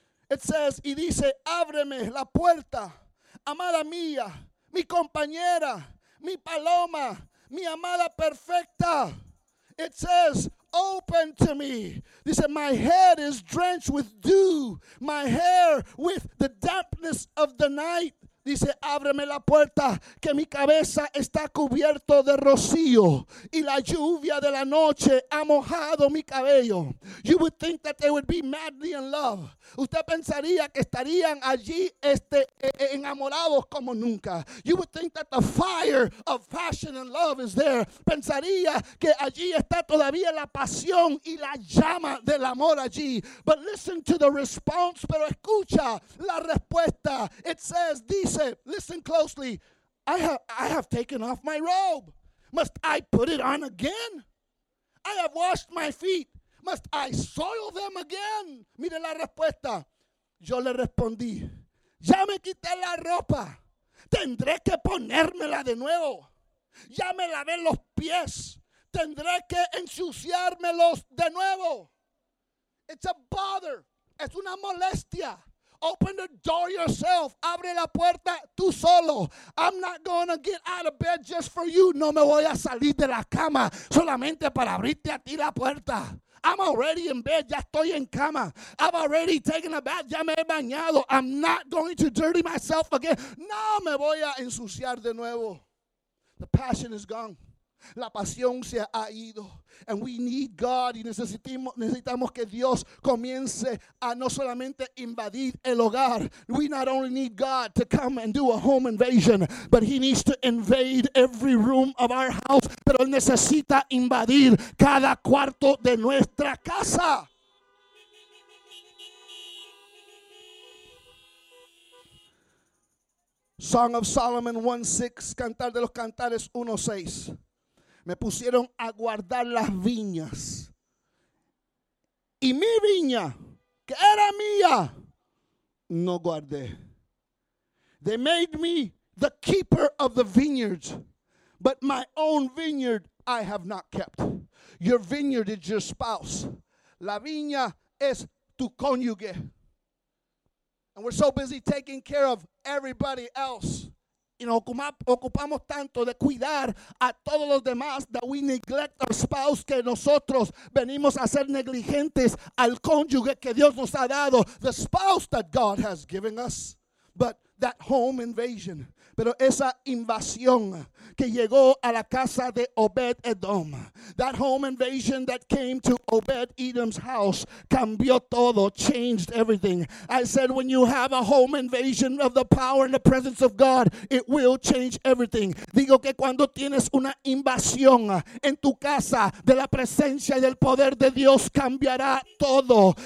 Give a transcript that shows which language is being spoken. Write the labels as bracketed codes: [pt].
[en] It says, [es] y dice, ábreme la puerta, amada mía, mi compañera, mi paloma, mi amada perfecta. [en] It says, open to me. Dice, my head is drenched with dew, my hair with the dampness of the night. [es] Dice, ábreme la puerta, que mi cabeza está cubierto de rocío y la lluvia de la noche ha mojado mi cabello. [en] You would think that they would be madly in love. [es] Usted pensaría que estarían allí enamorados como nunca. [en] You would think that the fire of passion and love is there. [es] Pensaría que allí está todavía la pasión y la llama del amor allí. [en] But listen to the response, [es] pero escucha la respuesta. [en] It says, dice, listen closely, I have taken off my robe. Must I put it on again? I have washed my feet. Must I soil them again? [es] Mire la respuesta. Yo le respondí, ya me quité la ropa. Tendré que ponérmela de nuevo. Ya me lavé los pies. Tendré que ensuciármelos de nuevo. [en] It's a bother. [es] Es una molestia. [en] Open the door yourself. [es] Abre la puerta tú solo. [en] I'm not gonna get out of bed just for you. [es] No me voy a salir de la cama solamente para abrirte a ti la puerta. [en] I'm already in bed. [es] Ya estoy en cama. [en] I've already taken a bath. [es] Ya me he bañado. [en] I'm not going to dirty myself again. [es] No me voy a ensuciar de nuevo. [en] The passion is gone. [es] La pasión se ha ido. [en] And we need God. [es] Y necesitamos que Dios comience a no solamente invadir el hogar. [en] We not only need God to come and do a home invasion, but he needs to invade every room of our house. [es] Pero él necesita invadir cada cuarto de nuestra casa. [en] Song of Solomon 1:6, Cantar de los Cantares 1:6. [es] Me pusieron a guardar las viñas. Y mi viña, que era mía, no guardé. [en] They made me the keeper of the vineyard, but my own vineyard I have not kept. Your vineyard is your spouse. [es] La viña es tu cónyuge. [en] And we're so busy taking care of everybody else. [es] Y nos ocupamos tanto de cuidar a todos los demás [en] that we neglect our spouse, [es] que nosotros venimos a ser negligentes al cónyuge que Dios nos ha dado. [en] The spouse that God has given us. But that home invasion. [es] Pero esa invasión que llegó a la casa de Obed-Edom. [en] That home invasion that came to Obed-Edom's house [es] cambió todo, [en] changed everything. I said when you have a home invasion of the power and the presence of God, it will change everything. [es] Digo que cuando tienes una invasión en tu casa de la presencia y del poder de Dios, cambiará todo.